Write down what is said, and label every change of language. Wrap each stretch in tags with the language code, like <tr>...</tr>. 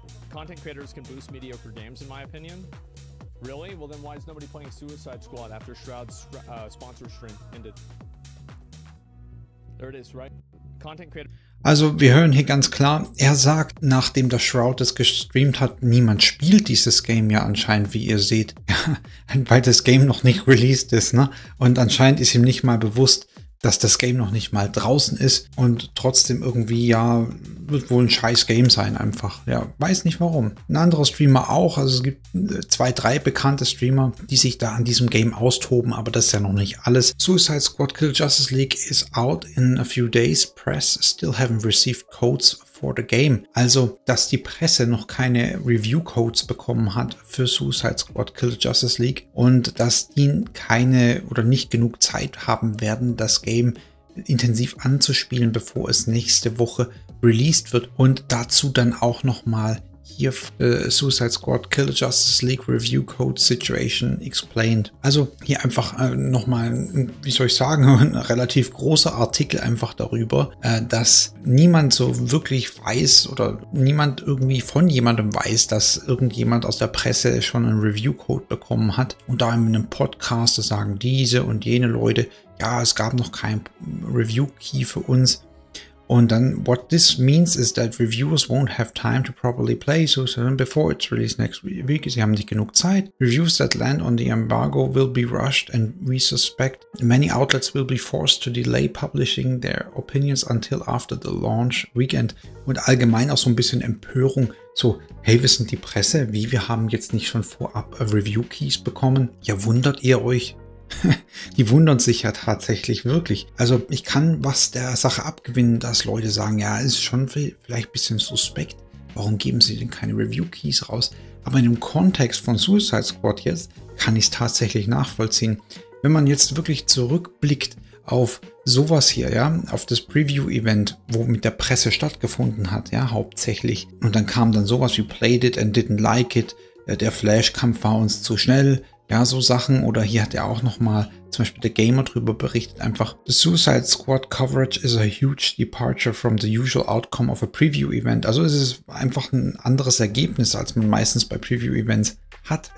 <en>Content creators can boost mediocre games, in my opinion. Really? Well, then why is nobody playing Suicide Squad after Shroud's sponsor stream ended? There it is, right? Content creator.</en> <de>Also, wir hören hier ganz klar, er sagt, nachdem der Shroud es gestreamt hat, niemand spielt dieses Game ja anscheinend, wie ihr seht, weil das Game noch nicht released ist, ne? Und anscheinend ist ihm nicht mal bewusst, dass das Game noch nicht mal draußen ist und trotzdem irgendwie, ja, wird wohl ein scheiß Game sein einfach. Ja, weiß nicht warum. Ein anderer Streamer auch, also es gibt 2-3 bekannte Streamer, die sich da an diesem Game austoben, aber das ist ja noch nicht alles.</de> <en>Suicide Squad Kill Justice League is out in a few days. Press still haven't received codes for the game.</en> <de>Also, dass die Presse noch keine Review-Codes bekommen hat für Suicide Squad Kill Justice League und dass die keine oder nicht genug Zeit haben werden, das Game intensiv anzuspielen, bevor es nächste Woche released wird. Und dazu dann auch nochmal hier Suicide Squad Kill Justice League Review Code Situation Explained. Also hier einfach nochmal, wie soll ich sagen, ein relativ großer Artikel einfach darüber, dass niemand so wirklich weiß oder niemand irgendwie von jemandem weiß, dass irgendjemand aus der Presse schon einen Review Code bekommen hat. Und da in einem Podcast sagen diese und jene Leute, ja, es gab noch keinen Review Key für uns. Und dann,</de> <en>what this means is that reviewers won't have time to properly play Suicide before it's released next week.</en> <de>Sie haben nicht genug Zeit.</de> <en>Reviews that land on the embargo will be rushed, and we suspect many outlets will be forced to delay publishing their opinions until after the launch weekend.</en> <de>Und allgemein auch so ein bisschen Empörung. So, hey, wir sind die Presse. Wie, wir haben jetzt nicht schon vorab Review Keys bekommen? Ja, wundert ihr euch? Die wundern sich ja tatsächlich wirklich. Also ich kann was der Sache abgewinnen, dass Leute sagen, ja, ist schon vielleicht ein bisschen suspekt. Warum geben sie denn keine Review Keys raus? Aber in dem Kontext von Suicide Squad jetzt kann ich es tatsächlich nachvollziehen. Wenn man jetzt wirklich zurückblickt auf sowas hier, ja, auf das Preview Event, wo mit der Presse stattgefunden hat, ja, hauptsächlich. Und dann kam dann sowas wie</de> <en>played it and didn't like it.</en> <de>Der Flash-Kampf war uns zu schnell. Ja, so Sachen, oder hier hat er auch nochmal zum Beispiel der Gamer drüber berichtet, einfach:</de> <en>The Suicide Squad coverage is a huge departure from the usual outcome of a preview event.</en> <de>Also es ist einfach ein anderes Ergebnis, als man meistens bei Preview Events hat.</de>